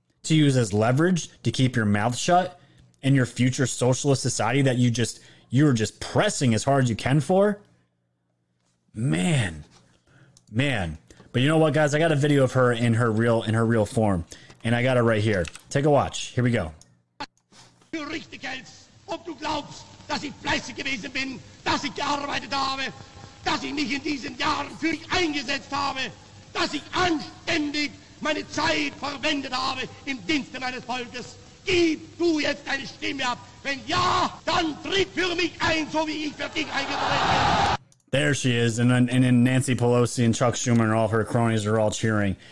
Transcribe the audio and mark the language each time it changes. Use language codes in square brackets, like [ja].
[en] To use as leverage to keep your mouth shut in your future socialist society that you're just pressing as hard as you can for? Man. Man. But you know what, guys? I got a video of her in her real form. And I got it right here. Take a watch. Here we go. [de] Du Richtigkeits, ob du glaubst, dass ich fleißig gewesen bin, dass ich gearbeitet habe, dass ich mich in diesen Jahren für dich eingesetzt habe, dass ich anständig meine Zeit verwendet habe im Dienste meines Volkes. Gib du jetzt deine Stimme ab. Wenn ja, dann tritt für mich ein, so wie ich für dich eingetreten bin. [en] There she is. And then Nancy Pelosi and Chuck Schumer and all her cronies are all cheering.